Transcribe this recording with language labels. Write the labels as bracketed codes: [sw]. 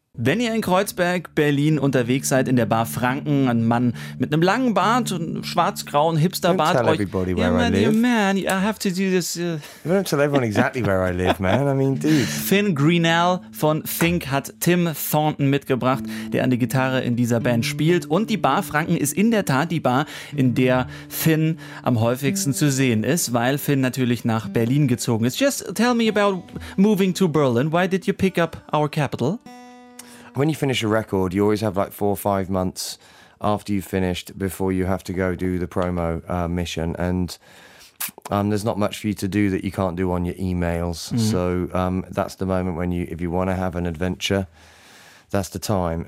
[de] Wenn ihr in Kreuzberg, Berlin unterwegs seid, in der Bar Franken, ein Mann mit einem langen Bart und schwarz-grauen Hipster-Bart. [en] Don't tell everybody where yeah, man, I live. Yeah, man, I have to do this. You don't tell everyone exactly where I live, man. I mean, dude. [de] Finn Grinnell von Think hat Tim Thornton mitgebracht, der an der Gitarre in dieser Band spielt. Und die Bar Franken ist in der Tat die Bar, in der Finn am häufigsten zu sehen ist, weil Finn natürlich nach Berlin gezogen ist. [en] Just tell me about moving to Berlin. Why did you pick up our capital? When you finish a record, you always have like 4 or 5 months after you've finished before you have to go do the promo mission. And there's not much for you to do that you can't do on your emails. Mm-hmm. So that's the moment when if you want to have an adventure, that's the time.